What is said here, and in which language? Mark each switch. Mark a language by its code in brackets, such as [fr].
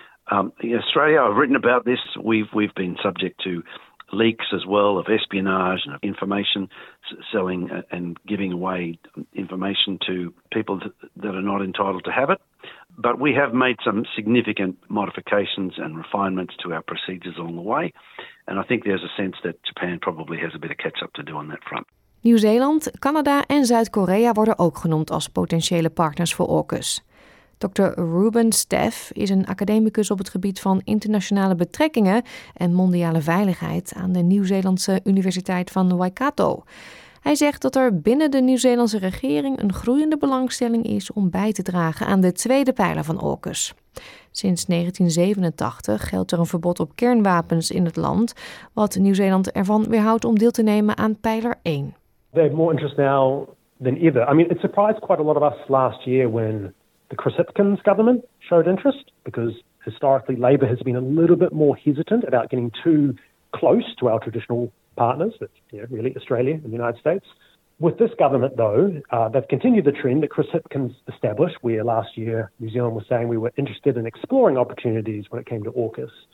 [en] In Australia, I've written about this, we've been subject to leaks as well of espionage and of information selling and giving away information to people that are not entitled to have it. But we have made some significant modifications and refinements to our procedures along the way. And I think there's a sense that Japan probably has a bit of catch-up to do on that front. [nl] Nieuw-Zeeland, Canada en Zuid-Korea worden ook genoemd als potentiële partners voor AUKUS. Dr. Ruben Steff is een academicus op het gebied van internationale betrekkingen en mondiale veiligheid aan de Nieuw-Zeelandse Universiteit van Waikato. Hij zegt dat er binnen de Nieuw-Zeelandse regering een groeiende belangstelling is om bij te dragen aan de tweede pijler van AUKUS. Sinds 1987 geldt er een verbod op kernwapens in het land, wat Nieuw-Zeeland ervan weerhoudt om deel te nemen aan pijler 1. [en] They have more interest now than ever. I mean, it surprised quite a lot of us last year when the Kropotkin's government showed interest, because historically Labour has been a little bit more hesitant about getting too close to our traditional partners, really Australia and the United States. With this government, though, they've continued the trend that Kropotkin's established, where last year New Zealand was saying we were interested in exploring opportunities when it came to AUKUS.